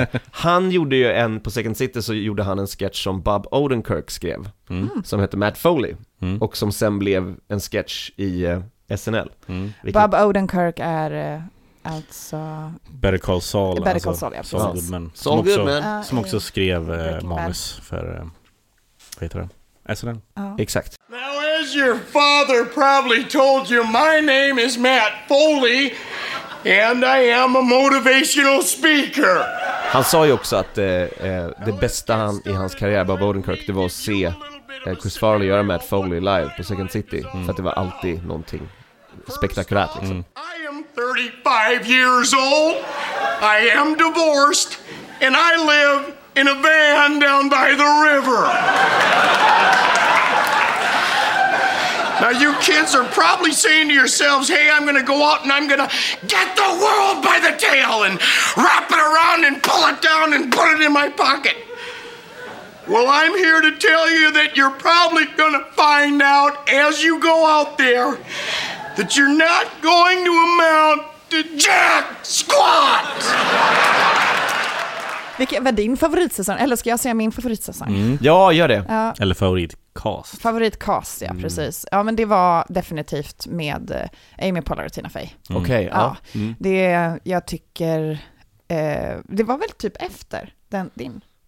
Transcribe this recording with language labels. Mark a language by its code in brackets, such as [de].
[sv] Han gjorde ju en, på Second City så gjorde han en sketch som Bob Odenkirk skrev, som hette Matt Foley, och som sen blev en sketch i SNL. Mm. Bob Odenkirk är alltså Better Call Saul, Better Call Saul, alltså, ja, Saul Goodman, Saul Goodman. Som också, som också skrev manus för, vad heter det? SNL. Exakt. [en] Now as your father probably told you, my name is Matt Foley and I am a motivational speaker. [sv] Han sa ju också att det bästa han i hans karriär, Bob Odenkirk, det var att se Chris Farley göra Matt Foley live på Second City, för att det var alltid någonting spektakulärt liksom. [en] I am 35 years old. I am divorced and I live in a van down by the river. Now you kids are probably saying to yourselves, hey, I'm gonna go out and I'm gonna get the world by the tail and wrap it around and pull it down and put it in my pocket. Well, I'm here to tell you that you're probably gonna find out as you go out there that you're not going to amount to jack squat. [sv] Vilken var din favoritsäsong? Eller ska jag säga min favoritsäsong? Mm. Ja, gör det. Eller favoritcast. Favoritcast, ja, precis. Ja, men det var definitivt med Amy Poehler och Tina Fey. Okej, ja. Det jag tycker, det var väl typ efter den, din.